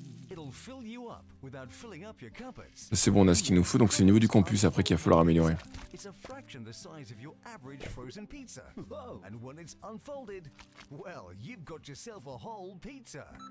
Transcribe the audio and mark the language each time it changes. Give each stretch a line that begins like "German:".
English: It'll fill you up without filling up your cupboards.
French: C'est bon, on a ce qu'il nous faut, donc c'est le niveau du campus après qu'il va falloir améliorer.
English: It's a fraction the size of your average frozen pizza. And when it's unfolded, well, you've got yourself a whole pizza.